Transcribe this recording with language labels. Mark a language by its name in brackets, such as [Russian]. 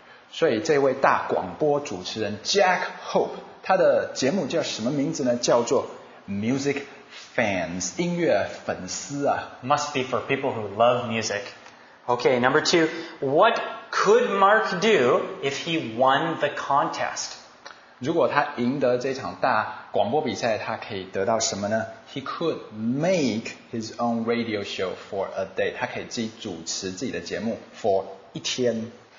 [Chinese] 所以这位大广播主持人 Jack Hope， 他的节目叫什么名字呢？叫做 Music。Fans, 音乐粉丝啊。 [English] Must be for people who love music. Okay, number two, what could Mark do if he won the contest? [Chinese] 如果他赢得这场大广播比赛，他可以得到什么呢？ [English] He could make his own radio show for a day. [Chinese] 他可以自己主持自己的节目 for 一天。